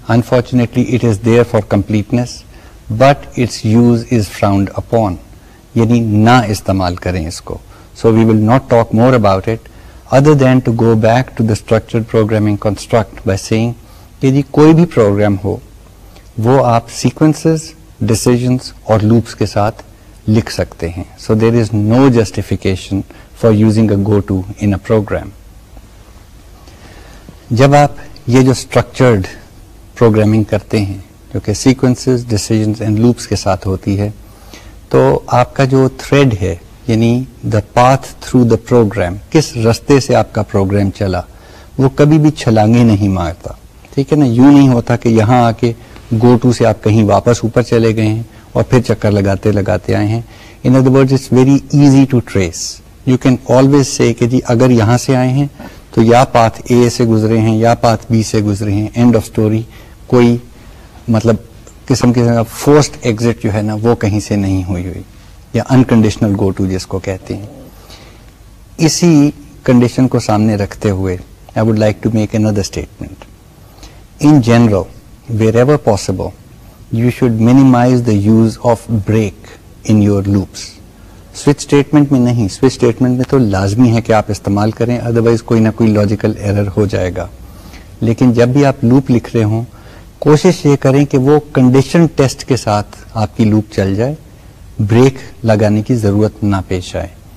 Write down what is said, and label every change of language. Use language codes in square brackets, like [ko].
[en] unfortunately it is there for completeness, but it's use is frowned upon, [ur] یعنی نہ استعمال کریں اس کو. [en] so we will not talk more about it other than to go back to the structured programming construct by saying [ur] کہ جی کوئی بھی programme ہو وہ آپ سیکوینسز, ڈیسیژنس اور لوپس کے ساتھ لکھ سکتے ہیں. [en] So there is no justification for using a go to in a program. [ur] جب آپ یہ جو اسٹرکچرڈ پروگرامنگ کرتے ہیں جو کہ سیکوینسز, ڈیسیژنس اینڈ لوپس کے ساتھ ہوتی ہے, تو آپ کا جو تھریڈ ہے, یعنی [en] the path through the program, [ur] کس رستے سے آپ کا پروگرام چلا, وہ کبھی بھی چھلانگیں نہیں مارتا, ٹھیک ہے نا. یوں نہیں ہوتا کہ یہاں آ کے گو ٹو سے آپ کہیں واپس اوپر چلے گئے ہیں اور پھر چکر لگاتے لگاتے آئے ہیں. [en] In other words it's very easy to trace. You can always say [ur] کہ جی اگر یہاں سے آئے ہیں تو یا پاتھ اے سے گزرے ہیں یا پاتھ بی سے گزرے ہیں, [en] End of story. [ur] کوئی مطلب قسم قسم کا فورسڈ ایگزٹ جو ہے نا وہ کہیں سے نہیں ہوئی ہوئی, یا انکنڈیشنل گو ٹو جس کو کہتے ہیں. اسی کنڈیشن کو سامنے رکھتے ہوئے [en] I would like to make under statement. In general wherever possible you should minimize the use of break in your loops. [ur] Switch statement میں نہیں, سوئچ اسٹیٹمنٹ میں تو لازمی ہے کہ آپ استعمال کریں, ادروائز کوئی نہ کوئی لاجیکل ایرر ہو جائے گا. لیکن جب بھی آپ لوپ لکھ رہے ہوں کوشش یہ کریں کہ وہ کنڈیشن ٹیسٹ کے ساتھ آپ کی لوپ چل جائے, بریک لگانے کی ضرورت نہ پیش آئے.